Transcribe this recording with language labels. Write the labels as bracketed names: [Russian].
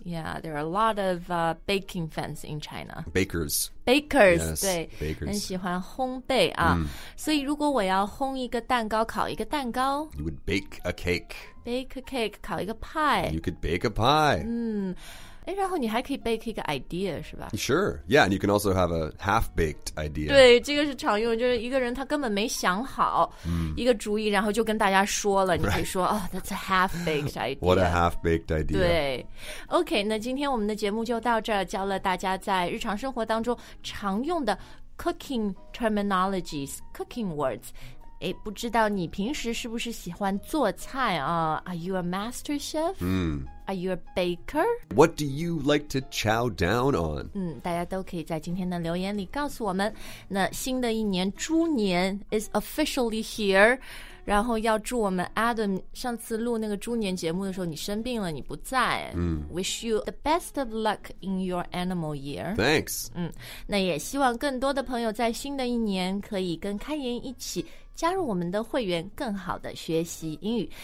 [English] Yeah, there are a lot of、baking fans in China. Bakers. Bakers. Yes, [Chinese] 对 [English] ，bakers [Chinese] 很喜欢烘焙啊。Mm. 所以如果我要烘一个蛋糕，烤一个蛋糕 [English] ，You would bake a cake. Bake a cake, [Chinese] 烤一个派。 [English] You could bake a pie. [Chinese] 哎，然后你还可以 [English] bake [Chinese] 一个 [English] idea [Chinese] 是吧 [English] ？Sure, yeah, and you can also have a half-baked idea. [Chinese] 对，这个是常用，就是一个人他根本没想好一个主意，然后就跟大家说了。你可以说 [English] ，Oh, that's a half-baked idea. What a half-baked idea. [Chinese] 对 ，OK， 那今天我们的节目就到这儿，教了大家在日常生活当中常用的 [English] cooking terminologies, cooking words。 [Chinese] 哎，不知道你平时是不是喜欢做菜啊 ？ [English] Are you a master chef? Are you a baker? What do you like to chow down on? [Chinese] 大家都可以在今天的留言里告诉我们。那新的一年猪年 [English] is officially here， [Chinese] 然后要祝我们 Adam 上次录那个猪年节目的时候你生病了，你不在。 [English] Wish you the best of luck in your animal year. Thanks. [Chinese] 那也希望更多的朋友在新的一年可以跟开言一起。加入我们的会员，更好的学习英语。